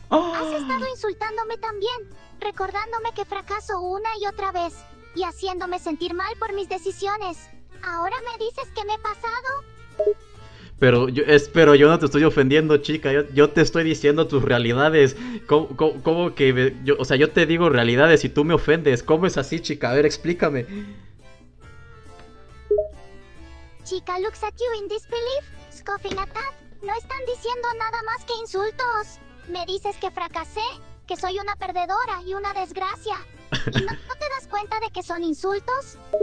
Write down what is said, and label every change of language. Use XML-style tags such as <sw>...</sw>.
<es>Has estado insultándome también, recordándome que fracaso una y otra vez y haciéndome sentir mal por mis decisiones. ¿Ahora me dices que me he pasado? Pero yo no te estoy ofendiendo, chica. Yo te estoy diciendo tus realidades. ¿Cómo que o sea, yo te digo realidades y tú me ofendes? ¿Cómo es así, chica? A ver, explícame.</es> <en>Chica looks at you in disbelief, scoffing at that.</en> <es>No están diciendo nada más que insultos. Me dices que fracasé, que soy una perdedora y una desgracia. ¿Y no te das cuenta de que son insultos?</es>